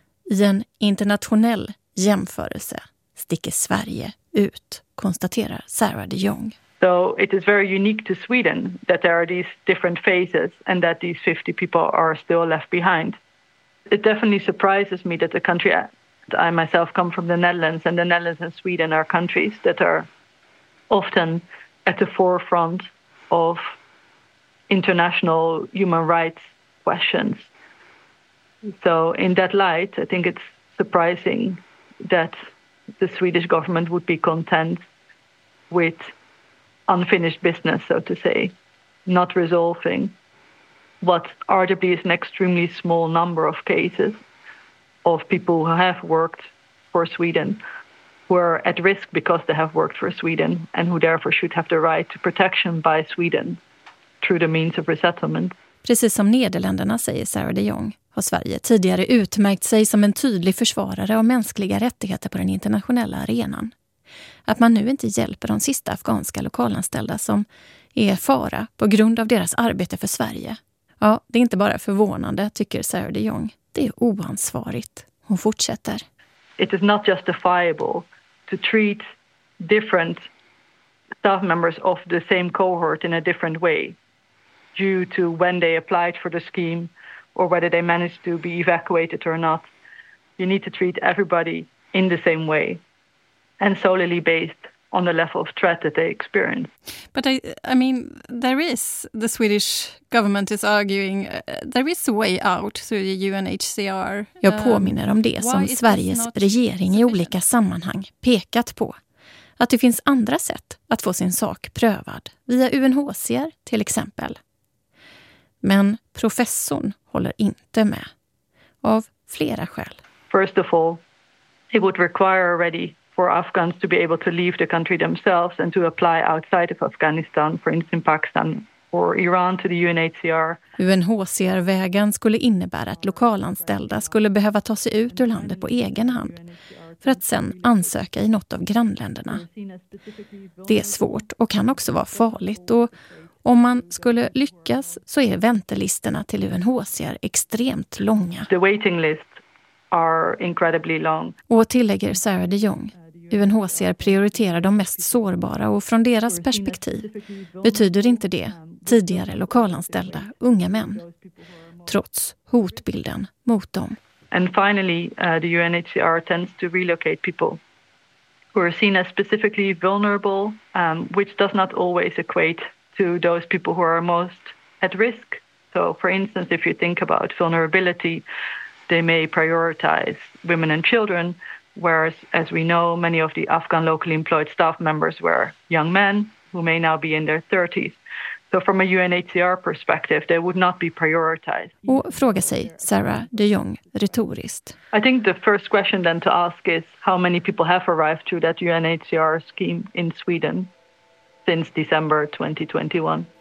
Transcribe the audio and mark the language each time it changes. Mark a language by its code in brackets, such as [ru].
[sv] I en internationell jämförelse sticker Sverige ut, konstaterar Sarah de Jong. [en] So it is very unique to Sweden that there are these different phases and that these 50 people are still left behind. It definitely surprises me that the country, I myself come from the Netherlands, and the Netherlands and Sweden are countries that are often at the forefront of international human rights questions. So in that light, I think it's surprising that the Swedish government would be content with unfinished business, so to say, not resolving what arguably is an extremely small number of cases of people who have worked for Sweden, who are at risk because they have worked for Sweden, and who therefore should have the right to protection by Sweden through the means of resettlement. [sv] Precis som Nederländerna, säger Sarah de Jong, har Sverige tidigare utmärkt sig som en tydlig försvarare av mänskliga rättigheter på den internationella arenan. Att man nu inte hjälper de sista afghanska lokalanställda som är fara på grund av deras arbete för Sverige. Ja, det är inte bara förvånande, tycker Sarah de Jong. Det är oansvarigt. Hon fortsätter. [en] It is not justifiable to treat different staff members of the same cohort in a different way due to when they applied for the scheme or whether they managed to be evacuated or not. You need to treat everybody in the same way and solely based on the level of threat that they experience. But I mean, there is, the Swedish government is arguing, there is a way out through the UNHCR. [sv] Jag påminner om det som Sveriges regering i olika sammanhang pekat på. Att det finns andra sätt att få sin sak prövad, via UNHCR till exempel. Men professorn håller inte med, av flera skäl. [en] First of all, it would require already for Afghans to be able to leave the country themselves and to apply outside of Afghanistan, for instance Pakistan or Iran, to the UNHCR. [sv] UNHCR-vägen skulle innebära att lokalanställda skulle behöva ta sig ut ur landet på egen hand för att sen ansöka i något av grannländerna. Det är svårt och kan också vara farligt, och om man skulle lyckas så är väntelisterna till UNHCR extremt långa. [en] The waiting list are incredibly long. [sv] Och tillägger Sarah de Jong, UNHCR prioriterar de mest sårbara, och från deras perspektiv betyder inte det tidigare lokalanställda unga män, trots hotbilden mot dem. [en] And finally, the UNHCR tends to relocate people who are seen as specifically vulnerable, which does not always equate to those people who are most at risk. So for instance, if you think about vulnerability, they may prioritize women and children, whereas, as we know, many of the Afghan locally employed staff members were young men who may now be in their 30s. So from a UNHCR perspective, they would not be prioritized. [sv] Och fråga sig Sarah de Jong retoriskt. [en] I think the first question then to ask is how many people have arrived through that UNHCR scheme in Sweden since December 2021.